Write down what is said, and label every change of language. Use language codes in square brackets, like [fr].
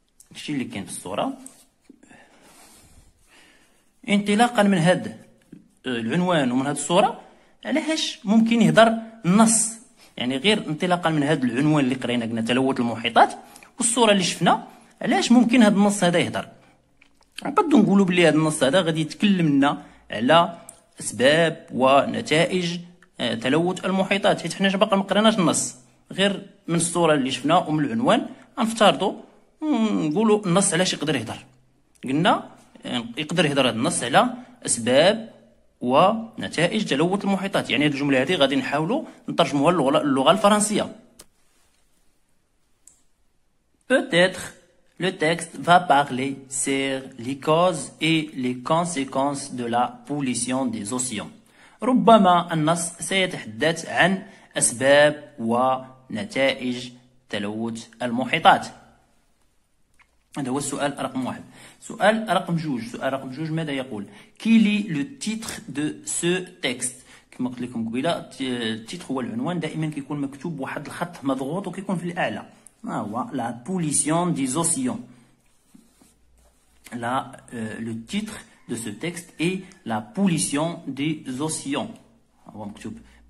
[ar] الشيء اللي كان في الصورة انطلاقا من هذا العنوان ومن هذه الصورة، علاش ممكن يهضر النص يعني غير انطلاقا من هذا العنوان اللي قرينا قلنا تلوث المحيطات والصورة اللي شفنا، علاش ممكن هذا النص هذا يهضر؟ نقدروا نقولوا بلي هذا النص هذا غادي يتكلم لنا على اسباب ونتائج تلوث المحيطات، حيت حنا باقي ما قريناش النص غير من الصوره اللي شفنا ومن العنوان. نفترضوا نقولوا النص علاش يقدر يهضر، قلنا يقدر يهضر هذا النص على اسباب ونتائج تلوث المحيطات، يعني هذه الجمله هذه غادي نحاولوا نترجموها للغه الفرنسيه. [fr] Peut-être Le texte va parler sur les causes et les conséquences de la pollution des océans. [ar] ربما النص سيتحدث عن أسباب ونتائج تلوث المحيطات. هذا هو السؤال رقم واحد. سؤال رقم جوج. سؤال رقم جوج ماذا يقول؟ [fr] Quel est le titre de ce texte؟ [ar] كما قلت لكم قبيلة التيتر هو العنوان، دائما كيكون مكتوب واحد الخط مضغوط وكيكون في الأعلى. [fr] Ah ouais, la pollution des océans. Là, le titre de ce texte est la pollution des océans. On va mettre un sous-titre.